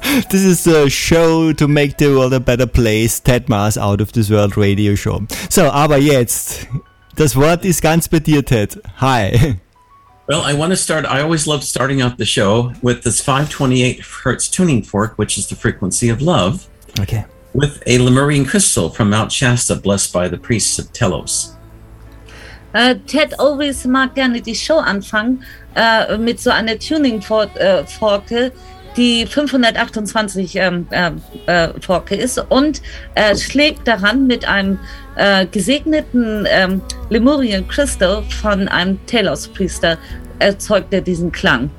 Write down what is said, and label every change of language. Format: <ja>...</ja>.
<en>This is a show to make the world a better place. Ted Mars Out of This World Radio Show.</en> <de>So, aber jetzt, das Wort ist ganz bei dir, Ted.</de> <en>Hi. Well, I want to start. I always love starting out the show with this 528 Hertz tuning fork, which is the frequency of love. Okay. With a Lemurian crystal from Mount Shasta, blessed by the priests of Telos.</en> <de>Ted</de> <en>always</en> <de>mag gerne die Show anfangen mit so einer Tuning-Forke, die 528 Forke ist und schlägt daran mit einem gesegneten Lemurian Crystal von einem Telos-Priester, erzeugt er diesen Klang.</de>